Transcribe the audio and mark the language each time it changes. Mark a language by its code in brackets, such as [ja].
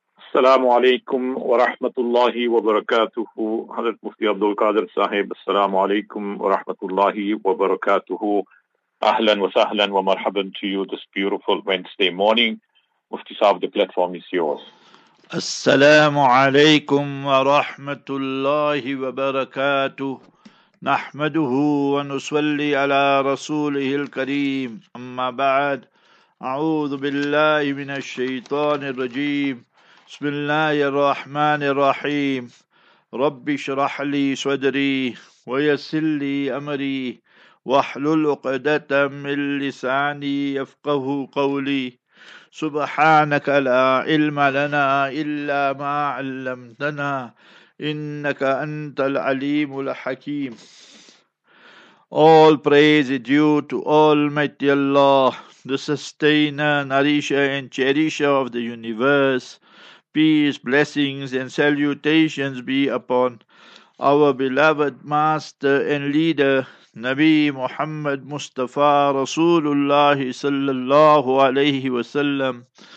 [ar] السلام عليكم ورحمة الله وبركاته. حضرت مفتي عبد القادر صاحب، السلام عليكم ورحمة الله وبركاته. أهلا وسهلا ومرحبا [en] to you this beautiful Wednesday morning. مفتي صاحب، the platform is yours. [ar] السلام عليكم ورحمة الله وبركاته. نحمده ونصلي على رسوله الكريم. أما بعد، أعوذ بالله من الشيطان الرجيم. بسم الله الرحمن الرحيم. رب اشرح لي صدري ويسر لي أمري واحلل عقدة من لساني يفقه قولي. سبحانك لا علم لنا إلا ما علمتنا إنك أنت العليم الحكيم. [en] All praise is due to Almighty Allah, the sustainer, nourisher and cherisher of the universe. Peace, blessings and salutations be upon our beloved master and leader, Nabi Muhammad Mustafa Rasulullah sallallahu alayhi wa sallam.